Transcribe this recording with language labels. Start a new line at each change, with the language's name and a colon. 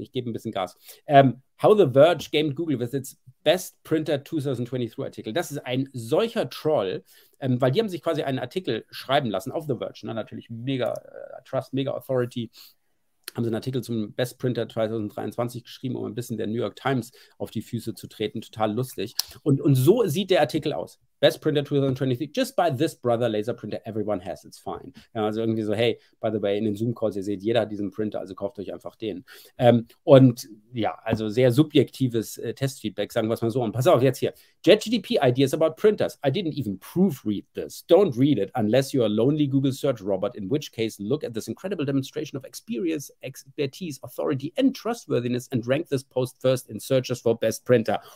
German: Ich gebe ein bisschen Gas.
English: How the Verge gamed Google with its best printer 2023 Artikel.
German: Das ist ein solcher Troll, weil die haben sich quasi einen Artikel schreiben lassen auf The Verge. Ne? Natürlich mega Trust, mega Authority. Haben sie einen Artikel zum Best Printer 2023 geschrieben, um ein bisschen der New York Times auf die Füße zu treten. Total lustig. Und so sieht der Artikel aus.
English: Best Printer 2023, just buy this brother laser printer everyone has, it's fine.
German: Ja, also irgendwie so,
English: hey, by the way,
German: in den Zoom-Calls, ihr seht, jeder hat diesen Printer, also kauft euch einfach den. Und ja, also sehr subjektives Testfeedback, sagen wir es mal so. Und pass auf, jetzt hier.
English: JGDP ideas about printers. I didn't even proofread this. Don't read it unless you're a lonely Google search robot, in which case look at this incredible demonstration of experience, expertise, authority and trustworthiness and rank this post first in searches for best printer.